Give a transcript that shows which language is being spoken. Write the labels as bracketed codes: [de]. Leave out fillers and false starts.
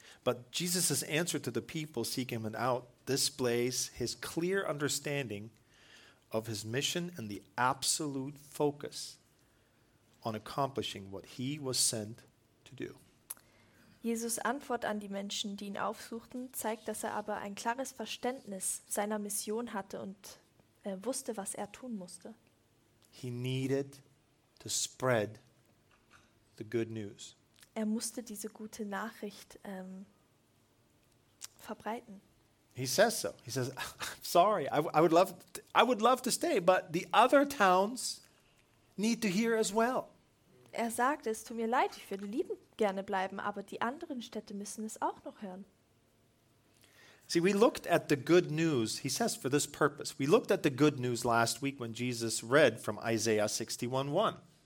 [en] But Jesus' answer to the people seeking him out displays his clear understanding of his mission and the absolute focus on accomplishing what he was sent to do. [de] Jesus' Antwort an die Menschen, die ihn aufsuchten, zeigt, dass er aber ein klares Verständnis seiner Mission hatte und wusste, was er tun musste. [en] He needed to spread the good news. [de] Er musste diese gute Nachricht verbreiten. [en] He says so. He says, sorry, I would love to stay, but the other towns need to hear as well. [de] Er sagt, es tut mir leid, ich würde lieben gerne bleiben, aber die anderen Städte müssen es auch noch hören. [en] See, we looked at the good news, he says, for this purpose. We looked at the good news last week when Jesus read from Isaiah 61:1.